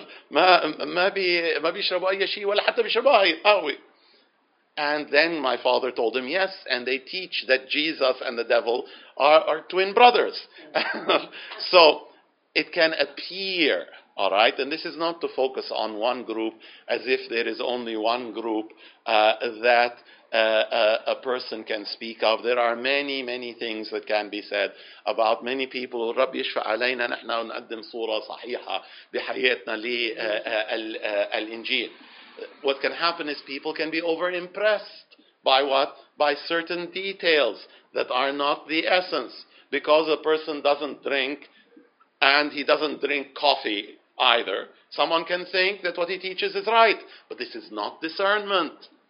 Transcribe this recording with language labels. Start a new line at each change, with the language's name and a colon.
Arabic: ما بيشربوا أي شيء ولا حتى بيشربوا أي قهوة.
English: And then my father told him, yes, and they teach that Jesus and the devil are twin brothers. So it can appear. All right, and this is not to focus on one group as if there is only one group that a person can speak of. There are many, many things that can be said about many people.
Arabic: رب يشفع علينا نحن ونقدم صورة صحيحة بحياتنا للإنجيل.
English: What can happen is people can be over-impressed by what? By certain details that are not the essence. Because a person doesn't drink and he doesn't drink coffee, either. Someone can think that what he teaches is right, but this is not discernment.